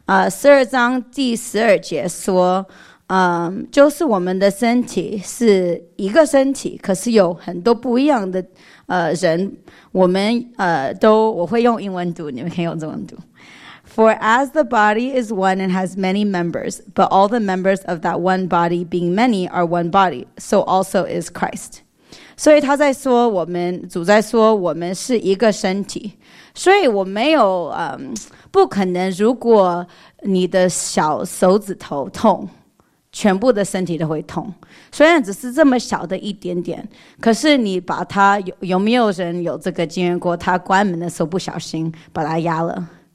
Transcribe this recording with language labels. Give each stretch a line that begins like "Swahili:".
Chinese: 十二章第十二节说，就是我们的身体是一个身体，可是有很多不一样的人，我会用英文读，你们可以用中文读。
English: For as the body is one and has many members, but all the members of that one body being many are one body, so also is Christ.
Chinese: 所以他在说我们，主在说我们是一个身体。所以我没有，不可能，如果你的小手指头痛，全部的身体都会痛。虽然只是这么小的一点点，可是你把它，有没有人有这个经验过，他关门的时候不小心把它压了。